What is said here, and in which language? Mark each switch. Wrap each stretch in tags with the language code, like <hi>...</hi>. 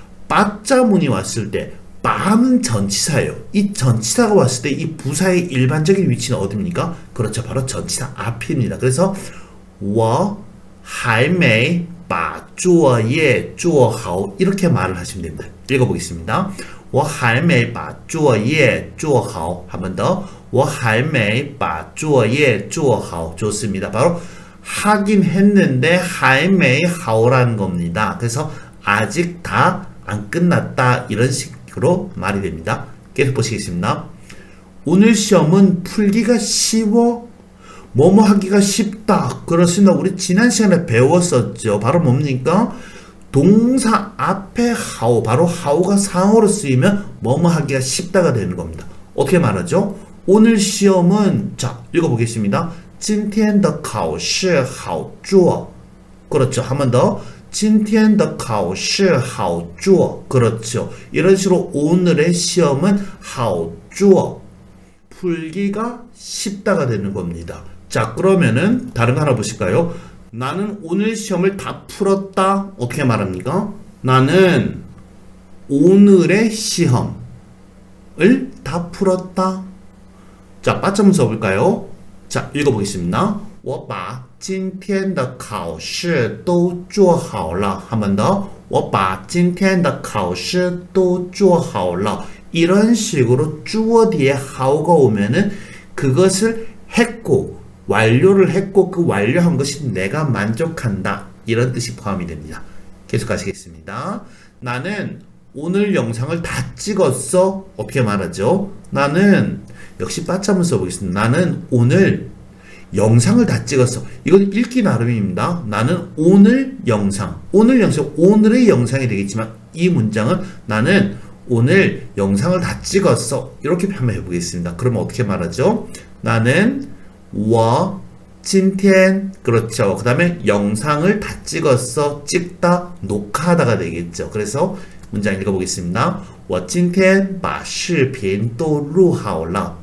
<ko>빠자문이 왔을 때 빠는 전치사예요. 이 전치사가 왔을 때이 부사의 일반적인 위치는 어딥니까? 그렇죠. 바로 전치사 앞입니다. 그래서</ko> <zh>我还没把作业做好</zh> <ko>이렇게 말을 하시면 됩니다. 읽어보겠습니다.</ko> <zh>我还没把作业做好</zh> <ko>한번 더.</ko> <zh>我还没把作业做好</zh> <ko>좋습니다. 바로 하긴 했는데</ko> <zh>还没好</zh> <ko>라는 겁니다. 그래서 아직 다안 끝났다 이런 식 로 말이 됩니다. 계속 보시겠습니다. 오늘 시험은 풀기가 쉬워? 뭐뭐 하기가 쉽다. 그렇습니다. 우리 지난 시간에 배웠었죠. 바로 뭡니까? 동사 앞에 하우, 바로 하우가 상어로 쓰이면 뭐뭐 하기가 쉽다가 되는 겁니다. 어떻게 말하죠? 오늘 시험은, 자, 읽어보겠습니다.</ko> <zh>今天的考试好做.</zh> <ko>그렇죠. 한번 더.</ko> <zh>今天的考试好做.</zh> <ko>그렇죠. 이런 식으로 오늘의 시험은 好做. 풀기가 쉽다가 되는 겁니다. 자, 그러면은 다른 거 하나 보실까요? 나는 오늘 시험을 다 풀었다. 어떻게 말합니까? 나는 오늘의 시험을 다 풀었다. 자, 빠점 써볼까요? 자, 읽어보겠습니다.</ko> <zh>我把 今天的考试都做好了.</zh> <ko>한번 더.</ko> <zh>我把今天的考试都做好了.</zh> <ko>이런 식으로 주어 뒤에 how가 오면은 그것을 했고, 완료를 했고, 그 완료한 것이 내가 만족한다. 이런 뜻이 포함이 됩니다. 계속 가시겠습니다. 나는 오늘 영상을 다 찍었어. 어떻게 말하죠? 나는, 역시 빠짐을 써보겠습니다. 나는 오늘 영상을 다 찍었어. 이건 읽기 나름입니다. 나는 오늘 영상, 오늘 영상, 오늘의 영상이 되겠지만 이 문장은 나는 오늘 영상을 다 찍었어. 이렇게 한번 해보겠습니다. 그러면 어떻게 말하죠? 나는 워, 今天, 그렇죠. 그 다음에 영상을 다 찍었어. 찍다, 녹화하다가 되겠죠. 그래서 문장 읽어보겠습니다.</ko> <zh>我今天把视频都录好了.</zh>